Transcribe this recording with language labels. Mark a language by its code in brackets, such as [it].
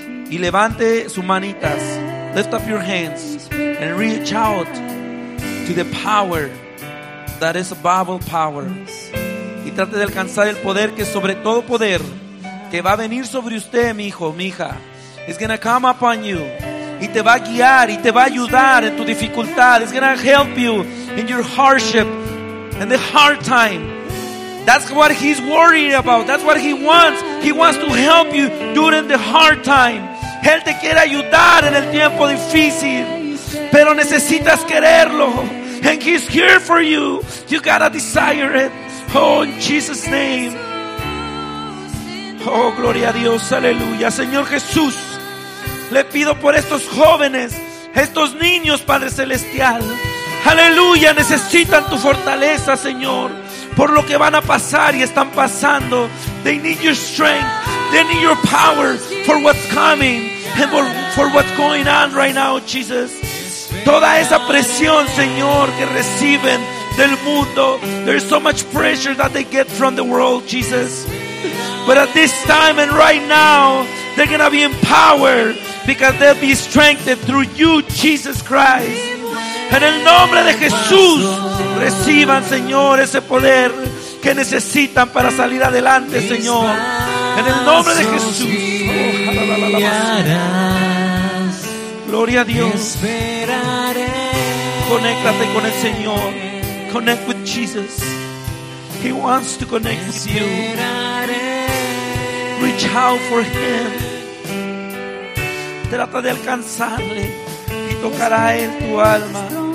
[es] Y levante sus manitas. [en] Lift up your hands and reach out to the power that is above all power. [es] Y trate de alcanzar el poder que sobre todo poder que va a venir sobre usted, mi hijo, mi hija. [en] It's gonna come upon you. [es] Y te va a guiar y te va a ayudar en tu dificultad. [en] It's gonna help you in your hardship and the hard time. That's what he's worried about. That's what he wants. He wants to help you during the hard time. [es] Él te quiere ayudar en el tiempo difícil, pero necesitas quererlo. [en] And he's here for you. You gotta desire it. Oh, in Jesus' name. [es] Oh, gloria a Dios. Aleluya. Señor Jesús, le pido por estos jóvenes, estos niños, Padre Celestial. Aleluya. Necesitan tu fortaleza, Señor, por lo que van a pasar y están pasando. [en] They need your strength. They need your power for what's coming and for what's going on right now, Jesus. [es] Toda esa presión, Señor, que reciben del mundo. [en] There's so much pressure that they get from the world, Jesus. But at this time and right now, they're going to be empowered because they'll be strengthened through you, Jesus Christ. [es] En el nombre de Jesús, reciban, Señor, ese poder que necesitan para salir adelante, Señor. En el nombre de Jesús. Gloria a Dios. Conéctate con el Señor. [en] Connect with Jesus. He wants to connect with you. Reach out for him. [es] Trata de alcanzarle y tocará él tu alma.